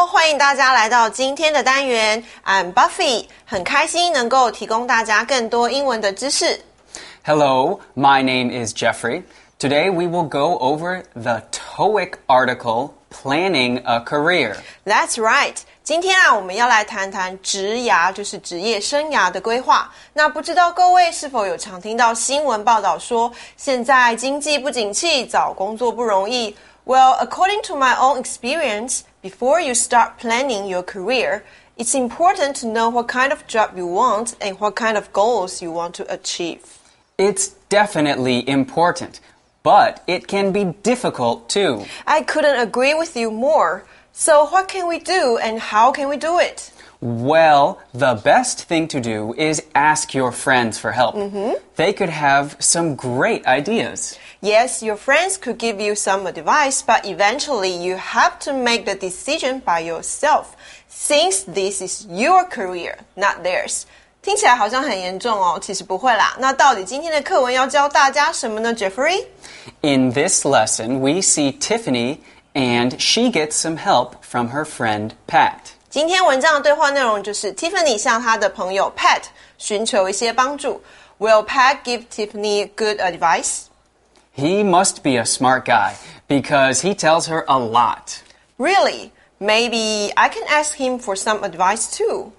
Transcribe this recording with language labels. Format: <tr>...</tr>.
<zh>迎大家来到今天的单元</zh> <en>I'm Buffy</en> <zh>很开心能够提供大家更多英文的知识</zh> <en>Hello, my name is Jeffrey Today we will go over the TOEIC article Planning a Career That's right</en> <zh>今天啊我们要来谈谈职涯就是职业生涯的规划那不知道各位是否有常听到新闻报道说现在经济不景气找工作不容易</zh> <en>Well, according to my own experienceBefore you start planning your career, it's important to know what kind of job you want and what kind of goals you want to achieve. It's definitely important, but it can be difficult too. I couldn't agree with you more. So what can we do and how can we do it? Well, the best thing to do is ask your friends for help. Mm-hmm. They could have some great ideas. Yes, your friends could give you some advice, but eventually you have to make the decision by yourself, since this is your career, not theirs.</en> <zh>听起来好像很严重哦，其实不会啦。那到底今天的课文要教大家什么呢 ,Jeffrey?</zh> <en>In this lesson, we see Tiffany, and she gets some help from her friend Pat.</en> <zh>今天文章的对话内容就是 Tiffany 向她的朋友 Pat 寻求一些帮助。</zh> <en>Will Pat give Tiffany good advice? He must be a smart guy, because he tells her a lot. Really? Maybe I can ask him for some advice too.</en>